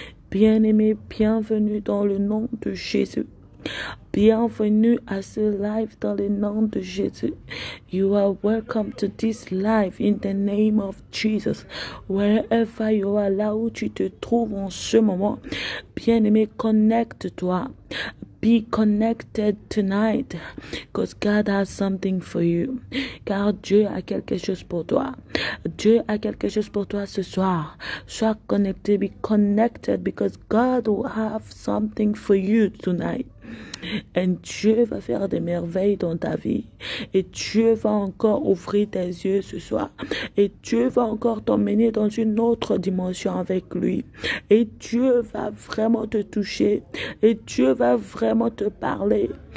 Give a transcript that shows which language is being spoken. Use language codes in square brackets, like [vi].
[fr] Bien-aimé, bienvenue dans le nom de Jésus. Bienvenue à ce live dans le nom de Jésus. [en] You are welcome to this live in the name of Jesus. Wherever you are, [fr] là où tu te trouves en ce moment, bien-aimé, connecte-toi. [en] Be connected tonight, because God has something for you. [fr] Car Dieu a quelque chose pour toi. Dieu a quelque chose pour toi ce soir. Sois connecté, [en] be connected, because God will have something for you tonight. [fr] Et Dieu va faire des merveilles dans ta vie. Et Dieu va encore ouvrir tes yeux ce soir. Et Dieu va encore t'emmener dans une autre dimension avec lui. Et Dieu va vraiment te toucher. Et Dieu va vraiment te parler.